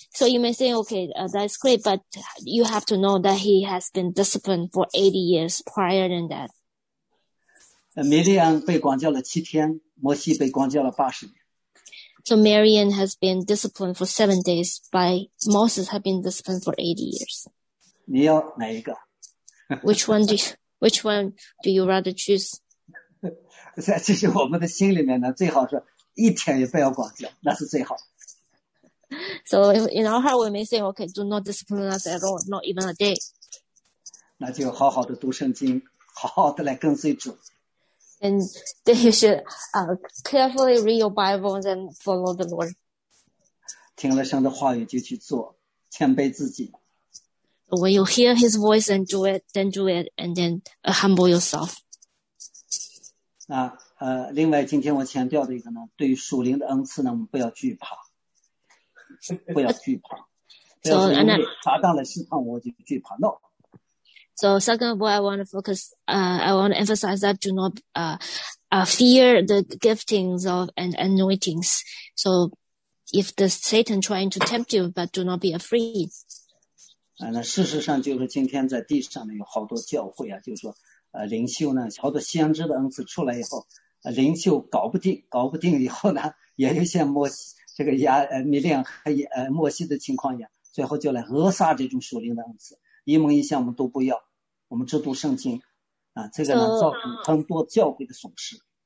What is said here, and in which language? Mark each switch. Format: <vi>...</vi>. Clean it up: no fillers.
<en>So you may say, okay, that's great, but you have to know that he has been disciplined for 80 years prior than that.</en> <zh>米利安被管教了7天，摩西被管教了80年。</zh> <en>So Marian has been disciplined for 7 days, but Moses has been disciplined for 80 years.</en> <zh>你要哪一个？</zh> <en>Which one do you? Which one do you rather choose?</en> <zh>在其实我们的心里面呢，最好是一天也不要管教，那是最好。</zh> <en>So in our heart, we may say, "Okay, do not discipline us at all, not even a day."</en> <zh>那就好好的读圣经，好好的来跟随主。</zh> <en>And then you should carefully read your Bibles and follow the Lord.</en> <zh>听了神的话语就去做，谦卑自己。</zh> <en>When you hear his voice and do it, then do it, and then humble yourself.</en> <zh>另外今天我强调的一个呢，对于属灵的恩赐呢，我们不要惧怕，不要惧怕。</zh> <en>So,</en> <zh>不要因为撒旦来试探我就惧怕。</zh> <en>No. So second of all, I want to emphasize that do not fear the giftings of and anointings. So if the Satan trying to tempt you, but do not be afraid.</en> <zh>那事实上就是今天在地上呢有好多教会啊，就是说灵修呢好多先知的恩赐出来以后，灵修搞不定，搞不定以后呢，也有像摩西这个米利暗和摩西的情况一样，最后就来扼杀这种属灵的恩赐，一门一项我们都不要，我们只读圣经啊，这个呢造成很多教会的损失。</zh>